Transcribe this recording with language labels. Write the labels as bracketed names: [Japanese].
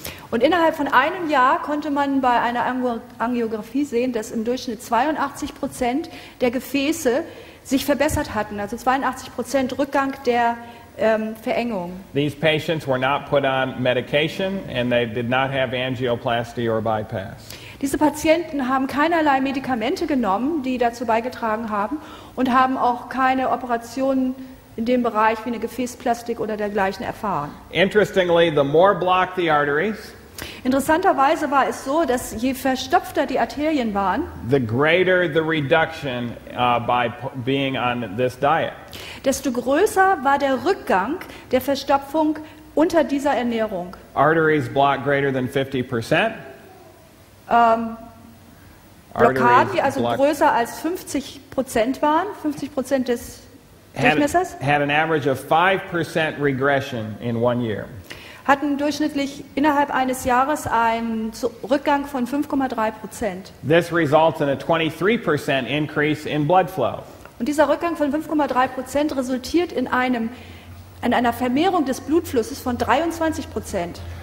[German] Und innerhalb von einem Jahr konnte man bei einer Angiografie sehen, dass im Durchschnitt 82% der Gefäße sich verbessert hatten, also 82% Rückgang der Verengung. [English] These patients were not put on medication and they did not have angioplasty or bypass. [German] Diese Patienten haben keinerlei Medikamente genommen, die dazu beigetragen haben, und haben auch keine Operationen in dem Bereich wie eine Gefäßplastik oder dergleichen erfahren. [English] Interestingly, the more blocked the arteries, [German] interessanterweise war es so, dass je verstopfter die Arterien waren, [English] the greater the reduction by being on this diet. [German] Desto größer war der Rückgang der Verstopfung unter dieser Ernährung. [English] Arteries block greater than 50%. [German] Blockaden, die also größer als 50% waren, 50% des Durchmessers, [English] had an average of 5% regression in 1 year. [German] Hatten durchschnittlich innerhalb eines Jahres einen Rückgang von 5,3%. [English] This results in a 23% increase in blood flow. [German] Und dieser Rückgang von 5,3% resultiert in einer Vermehrung des Blutflusses von 23%.